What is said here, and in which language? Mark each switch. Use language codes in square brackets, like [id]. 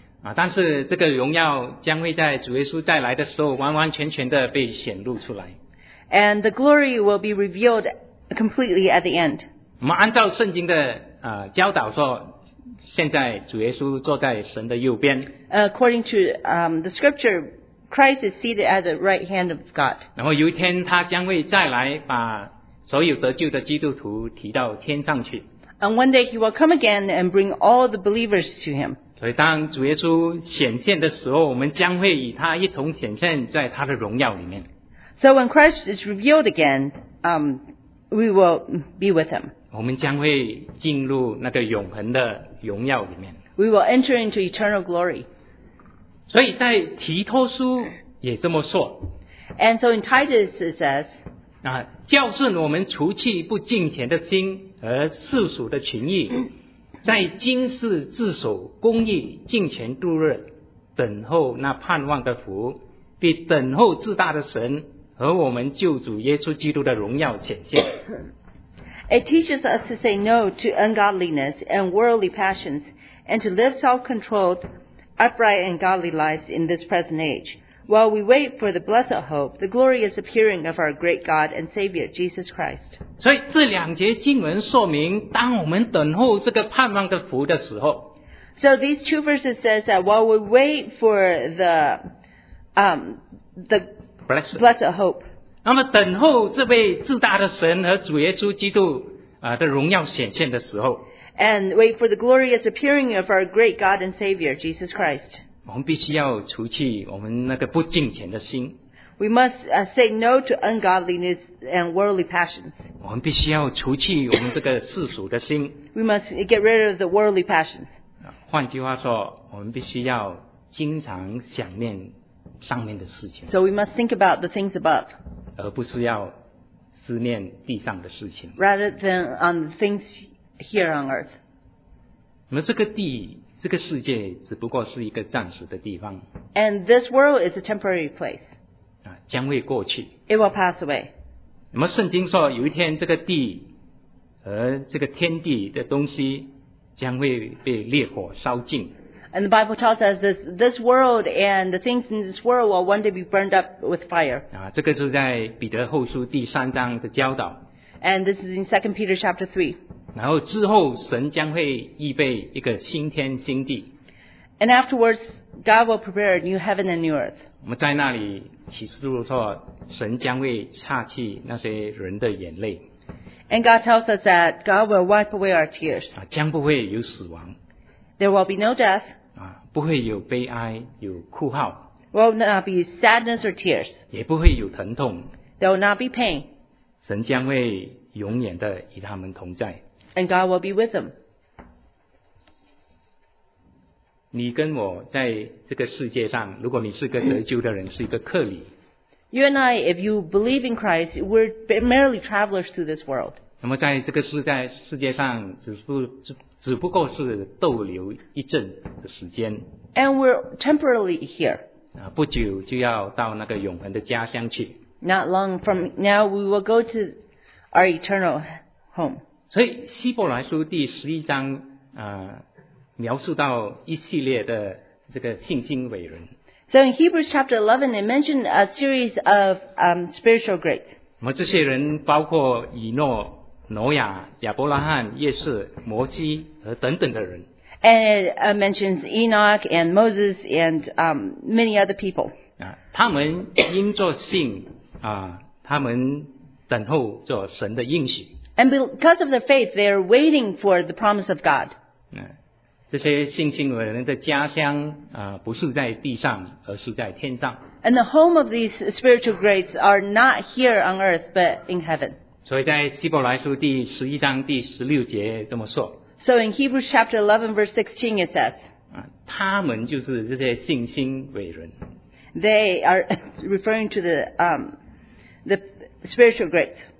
[zh] 啊，但是这个荣耀将会在主耶稣再来的时候完完全全的被显露出来。 [en] And the glory will be revealed completely at the end. [zh] 我们按照圣经的教导说，现在主耶稣坐在神的右边。 [en] According to the scripture, Christ is seated at the right hand of God. [zh] 然后有一天他将会再来，把所有得救的基督徒提到天上去。 [en] And one day he will come again and bring all the believers to him. [zh] 所以当主耶稣显现的时候，我们将会与他一同显现在他的荣耀里面。 [en] So when Christ is revealed again, we will be with him. [zh] 我们将会进入那个永恒的荣耀里面。 [en] We will enter into eternal glory. [zh] 所以在提托书也这么说。 [en] And so in Titus it says, [zh] 啊，教训我们除去不敬虔的心而世俗的情欲，在今世自守公义敬虔度日，等候那盼望的福，必等候至大的神和我们救主耶稣基督的荣耀显现。 [en] It teaches us to say no to ungodliness and worldly passions, and to live self-controlled, upright and godly lives in this present age, while we wait for the blessed hope, the glorious appearing of our great God and Savior, Jesus Christ. [zh] 所以这两节经文说明，当我们等候这个盼望的福的时候。 [en] So these two verses says that while we wait for the blessed hope, [zh] 那么等候这位至大的神和主耶稣基督的荣耀显现的时候 [en] ，and wait for the glorious appearing of our great God and Savior Jesus Christ。 [zh] 我们必须要除去我们那个不敬虔的心。 [en] We must say no to ungodliness and worldly passions。 [zh] 我们必须要除去我们这个世俗的心。 [en] We must get rid of the worldly passions。 [zh] 换句话说，我们必须要经常想念上面的事情。 [en] So we must think about the things above。 [zh] 而不是要思念地上的事情。 [en] Rather than on things here on earth. [zh] 那这个地，这个世界只不过是一个暂时的地方。 [en] And this world is a temporary place. [zh] 将会过去。 [en] It will pass away. [zh] 那么圣经说，有一天这个地和这个天地的东西将会被烈火烧尽。 [en] And the Bible tells us this world and the things in this world will one day be burned up with fire. [zh] 啊，这个是在彼得后书第三章的教导。 [en] And this is in 2 Peter chapter 3. [zh] 然后之后神将会预备一个新天新地。 [en] And afterwards, God will prepare a new heaven and new earth. [zh] 我们在那里启示录说，神将会擦去那些人的眼泪。 [en] And God tells us that God will wipe away our tears. [zh] 啊，将不会有死亡。 [en] There will be no death. [zh] 不会有悲哀，有哭号。 [en] Will not be sadness or tears. [zh] 也不会有疼痛。 [en] There will not be pain. [zh] 神将会永远的与他们同在。 [en] And God will be with them. [zh] 你跟我在这个世界上，如果你是个得救的人，是一个客旅。 [en] You and I, if you believe in Christ, we're merely travelers through this world. [zh] 那么在这个世界上，只不过是逗留一阵的时间。 [en] And we're temporarily here. [zh] 不久就要到那个永恒的家乡去。 [en] Not long from now, we will go to our eternal home. [zh] 所以希伯来书第十一章描述到一系列的这个信心伟人。 [en] So in Hebrews chapter 11, it mentioned a series of spiritual greats. [zh] 那么这些人包括以诺、挪亚、亚伯拉罕、约瑟、摩西和等等的人。 [en] And it mentions Enoch and Moses and many other people. [zh] 他们因着信他们等候着神的应许。 [en] And because of their faith, they are waiting for the promise of God. [zh] 这些信心伟人的家乡不是在地上，而是在天上。 [en] And the home of these spiritual greats are not here on earth, but in heaven. [zh] 所以在希伯来书第十一章第十六节这么说。 [en] So in Hebrews chapter 11 verse 16 it says, [zh] 他们就是这些信心伟人。 [en] They are referring to the spiritual greats.